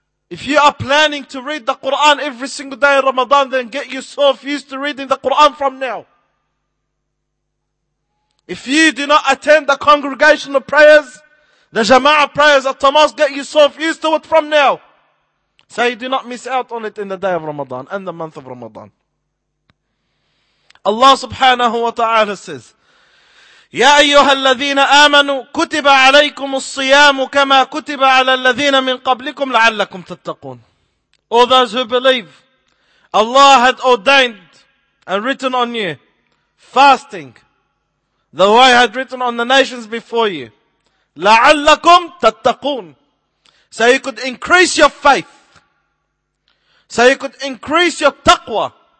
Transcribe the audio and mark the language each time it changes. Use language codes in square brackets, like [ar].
[en] If you are planning to read the Quran every single day in Ramadan, then get yourself used to reading the Quran from now. If you do not attend the congregational prayers, the Jama'ah prayers at the mosque, get yourself used to it from now. So you do not miss out on it in the day of Ramadan and the month of Ramadan. [ar] Allah subhanahu wa ta'ala says, يَا أَيُّهَا الَّذِينَ آمَنُوا كُتِبَ عَلَيْكُمُ الصِّيَامُ كَمَا كُتِبَ عَلَى الَّذِينَ مِنْ قَبْلِكُمْ لَعَلَّكُمْ تَتَّقُونَ. [en] All those who believe, Allah had ordained and written on you fasting, the way had written on the nations before you, [ar] لَعَلَّكُمْ تَتَّقُونَ. [en] So you could increase your faith. So you could increase your taqwa.